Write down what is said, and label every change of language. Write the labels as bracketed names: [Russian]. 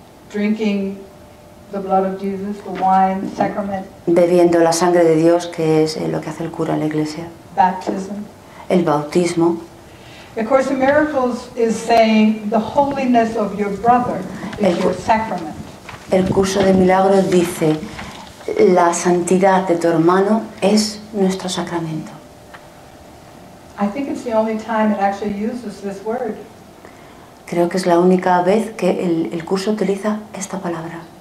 [English] Drinking the blood of Jesus, the wine sacrament. [Spanish] Bebiendo la sangre de Dios, que es lo que hace el cura en la iglesia. [English] Baptism. [Spanish] El bautismo. [English] Of course, the miracles is saying the holiness of your brother is your sacrament. [Spanish] El curso de milagros dice la santidad de tu hermano es nuestro sacramento. [English] I think it's the only time it actually uses this word. [Spanish] Creo que es la única vez que el curso utiliza esta palabra.